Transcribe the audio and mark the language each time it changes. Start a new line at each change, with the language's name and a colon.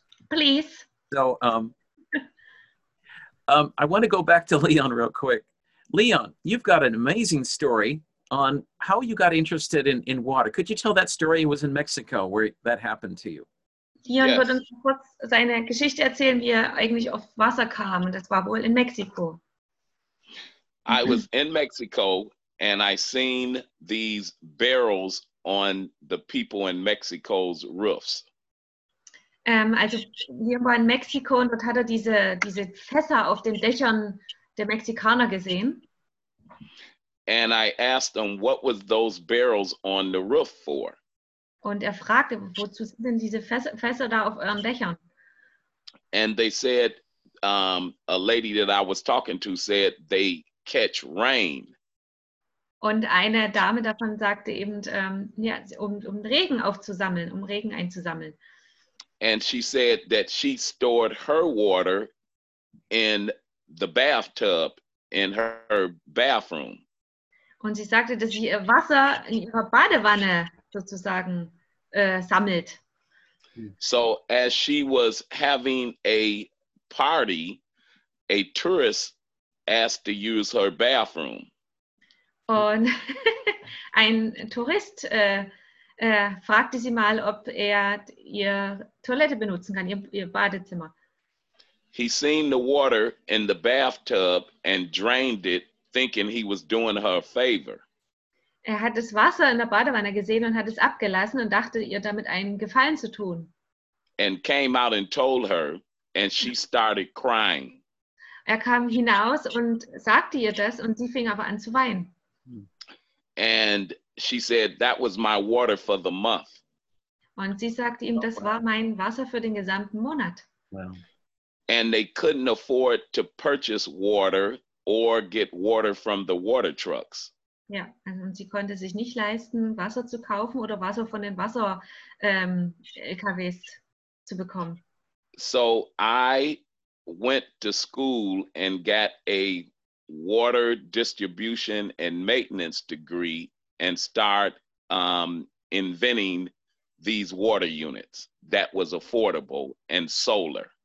English: Please. So I want to go back to Leon real quick. Leon, you've got an amazing story on how you got interested in water. Could you tell that story? It was in Mexico where that happened to you.
German: Dion wird uns kurz seine Geschichte erzählen, wie er eigentlich auf Wasser kam. Und das war wohl in Mexiko.
English: I was in Mexico and I seen these barrels on the people in Mexico's roofs.
German: Also Dion war in Mexiko und dort hat er diese Fässer auf den Dächern der Mexikaner gesehen.
English: And I asked him, what was those barrels on the roof for?
German: Und er fragte, wozu sind denn diese Fässer da auf euren Dächern?
English: And they said, a lady that I was talking to said, they catch rain.
German: Und eine Dame davon sagte eben, ja, um Regen aufzusammeln, um Regen einzusammeln.
English: And she said that she stored her water in the bathtub in her bathroom.
German: Und sie sagte, dass sie ihr Wasser in ihrer Badewanne sozusagen sammelt.
English: So as she was having a party, a tourist asked to use her bathroom.
German: Und ein Tourist fragte sie mal, ob er ihr Toilette benutzen kann, ihr Badezimmer.
English: He seen the water in the bathtub and drained it, thinking he was doing her a favor.
German: Er hat das Wasser in der Badewanne gesehen und hat es abgelassen und dachte, ihr damit einen Gefallen zu tun.
English: And came out and told her, and she started crying.
German: Er kam hinaus und sagte ihr das und sie fing aber an zu weinen.
English: And she said, that was my water for the month.
German: Und sie sagte ihm, das war mein Wasser für den gesamten Monat.
English: Wow. And they couldn't afford to purchase water or get water from the water trucks.
German: Ja, also sie konnte sich nicht leisten, Wasser zu kaufen oder Wasser von den Wasser-LKWs zu bekommen.
English: So I went to school and got a water distribution and maintenance degree and start inventing these water units that was affordable and solar.